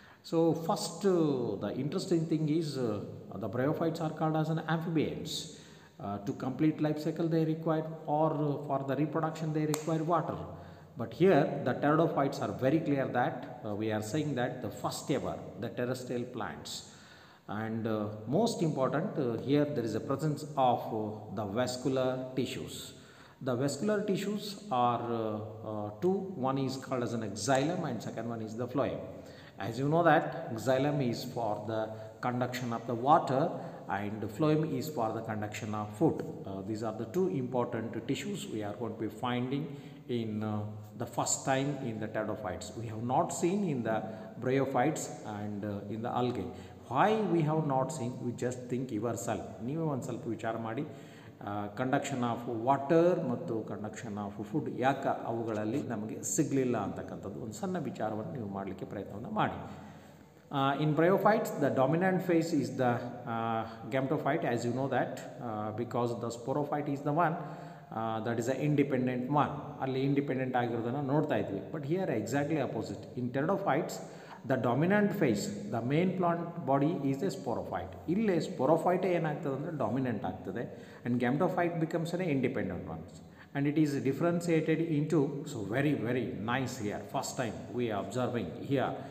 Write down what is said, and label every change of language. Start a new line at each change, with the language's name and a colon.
English: So first the interesting thing is the bryophytes are called as an amphibians. To complete life cycle they require or for the reproduction they require water. But here the pteridophytes are very clear that we are saying that the first ever the terrestrial plants. And most important, here there is a presence of the vascular tissues. The vascular tissues are two. One is called as an xylem and second one is the phloem. As you know that xylem is for the conduction of the water and the phloem is for the conduction of food. These are the two important tissues we are going to be finding in the first time in the pteridophytes. We have not seen in the bryophytes and in the algae. Why we have not seen, we just think yourself.
Kannada: ನೀವೇ ಒಂದು ಸ್ವಲ್ಪ ವಿಚಾರ ಮಾಡಿ,
English: conduction of water
Kannada: ಮತ್ತು
English: conduction of food
Kannada: ಯಾಕೆ ಅವುಗಳಲ್ಲಿ ನಮಗೆ ಸಿಗಲಿಲ್ಲ ಅಂತಕ್ಕಂಥದ್ದು ಒಂದು ಸಣ್ಣ ವಿಚಾರವನ್ನು ನೀವು ಮಾಡಲಿಕ್ಕೆ ಪ್ರಯತ್ನವನ್ನು ಮಾಡಿ.
English: in bryophytes the dominant phase is the gametophyte, as you know that, because the sporophyte is the one that is a independent one,
Kannada: ಅಲ್ಲಿ ಇಂಡಿಪೆಂಡೆಂಟ್ ಆಗಿರೋದನ್ನು ನೋಡ್ತಾ ಇದ್ವಿ.
English: But here exactly opposite. In pteridophytes the dominant phase, the main plant body is a sporophyte.
Kannada: Illa sporophyte enagtade andre dominant agtade
English: and gametophyte becomes an independent one and it is differentiated into, so very nice here, first time we are observing here.